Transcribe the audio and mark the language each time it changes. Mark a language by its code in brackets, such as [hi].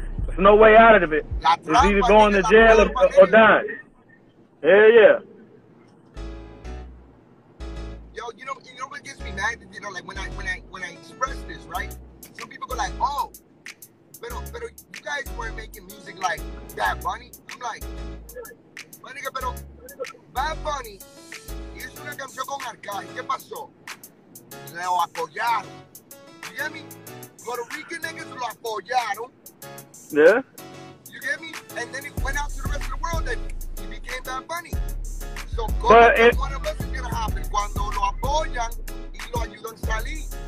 [en] There's no way out of it. It's either going to jail or dying. Yeah, yeah. Yo, you know what gets me mad? You know, like when I express this, right? Some people go like, oh, pero you guys weren't making music like Bad Bunny. I'm like, [es] manica, pero Bad Bunny hizo una canción con Arcángel. ¿Qué pasó? lo apoyaron. [en] You get me? Puerto Rican niggas [es] lo apoyaron. [en] Yeah. You get me? And then he went out to the rest of the world and he became Bad Bunny. So one of us is gonna happen [es] cuando lo apoyan y lo ayudan salir.